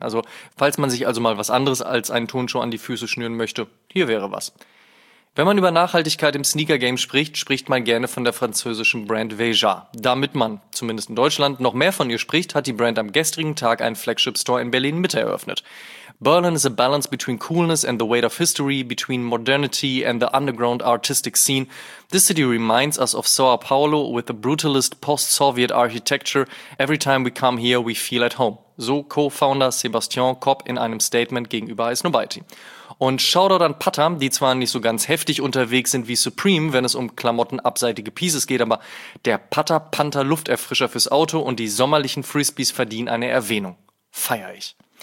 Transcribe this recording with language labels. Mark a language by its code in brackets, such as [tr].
[de] Also, falls man sich also mal was anderes als einen Turnschuh an die Füße schnüren möchte, hier wäre was. Wenn man über Nachhaltigkeit im Sneaker-Game spricht, spricht man gerne von der französischen Brand Veja. Damit man, zumindest in Deutschland, noch mehr von ihr spricht, hat die Brand am gestrigen Tag einen Flagship-Store in Berlin Mitte eröffnet. [en] Berlin is a balance between coolness and the weight of history, between modernity and the underground artistic scene. This city reminds us of Sao Paulo with the brutalist post-Soviet architecture. Every time we come here, we feel at home. [de] So Co-Founder Sebastian Kopp in einem Statement gegenüber Aisnobiety. Und Shoutout an Patam, die zwar nicht so ganz heftig unterwegs sind wie Supreme, wenn es um klamottenabseitige Pieces geht, aber der Patter Panther Lufterfrischer fürs Auto und die sommerlichen Frisbees verdienen eine Erwähnung. Feier ich.